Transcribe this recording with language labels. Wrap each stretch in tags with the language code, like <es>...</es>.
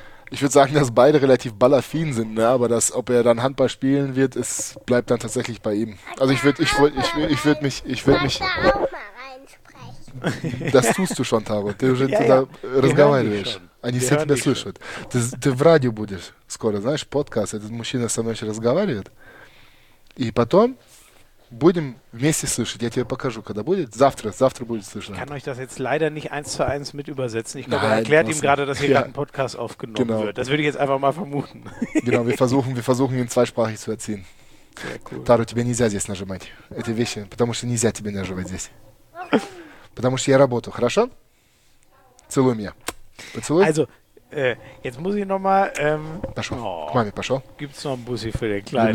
<de>Ich würde sagen, dass beide relativ ballaffin sind, ne? Aber das, ob er dann Handball spielen wird, es bleibt dann tatsächlich bei ihm. Also ich würde mich. Da auch mal reinsprechen. Das tust du schon, Taro. Du bist da</de> <ru>разговариваешь. Они с этим слышат. Ты в радио будешь скоро, знаешь, подкаст. Этот мужчина со мной еще разговаривает. И потом будем вместе слышать. Я тебе покажу, когда будет. Завтра будет слышно.</ru> <de>Ich kann euch das jetzt leider nicht eins zu eins mit übersetzen. Ich glaube, er erklärt ihm gerade, dass hier gerade ein Podcast aufgenommen genau. wird. Das würde ich jetzt einfach mal vermuten. Genau, wir versuchen ihn zweisprachig zu erziehen. Sehr cool.</de> <ru>Taro, тебе нельзя здесь нажимать. Эти вещи, потому что нельзя тебе нажимать здесь. Потому что я работаю, хорошо? Целуй меня. Поцелуй.</ru> <de>Also, jetzt muss ich nochmal.</de> <ru>Pascho.</ru> <de>Gibt es noch einen Bussi für den Kleinen?</de>